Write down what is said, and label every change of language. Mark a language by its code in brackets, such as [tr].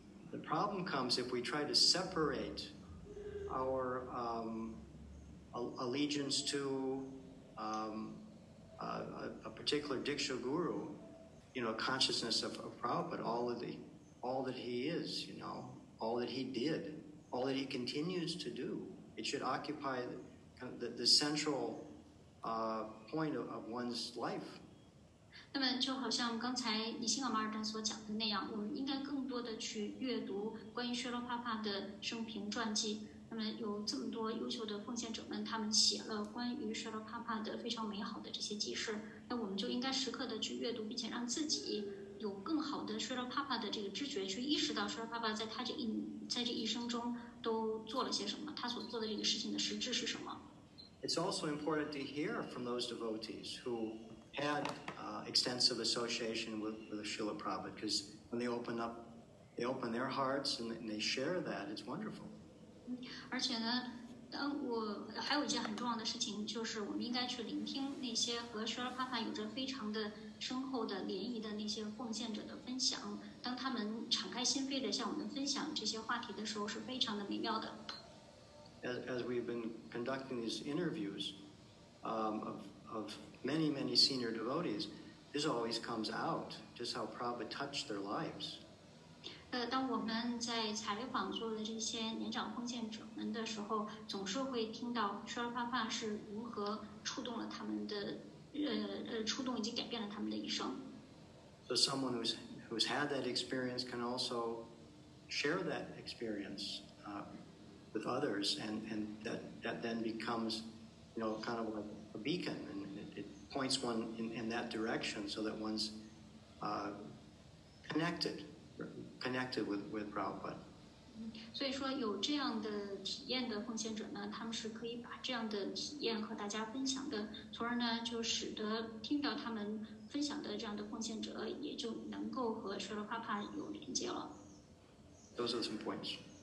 [en] The problem comes if we try to separate our allegiance to a particular Diksha Guru, you know, consciousness of Prabhupada, all that he is, you know, all that he did, all that he continues to do. It should occupy the central point of one's life. [zh] 那么就好像刚才尼辛瓦马尔达所讲的那样，我们应该更多的去阅读关于薛罗帕帕的生平传记。那么有这么多优秀的奉献者们，他们写了关于薛罗帕帕的非常美好的这些记事，那我们就应该时刻的去阅读，并且让自己有更好的薛罗帕帕的这个知觉，去意识到薛罗帕帕在他这一生中都做了些什么，他所做的这个事情的实质是什么。 [en] It's also important to hear from those devotees who had extensive association with Srila Prabhupada, because when they open up, they open their hearts and they share that, it's wonderful. [zh] 而且呢，当我还有一件很重要的事情，就是我们应该去聆听那些和Srila Prabhupada有着非常的深厚的联谊的那些奉献者的分享。当他们敞开心扉的向我们分享这些话题的时候，是非常的美妙的。 [en] As we've been conducting these interviews, of many, many senior devotees, this always comes out, just how Prabhupada touched their lives. [zh] 当我们在采访做的这些年长奉献者们的时候，总是会听到 Srila Prabhupada 是如何触动了他们的触动以及改变了他们的一生。 [en] So someone who's had that experience can also share that experience with others, and that then becomes, you know, kind of like a beacon, and it points one in that direction so that one's connected with Prabhupada. [zh] 所以说有这样的体验的奉献者呢，他们是可以把这样的体验和大家分享的，从而呢就使得听到他们分享的这样的奉献者也就能够和舍罗帕帕有连接了。 [en] Those are some points.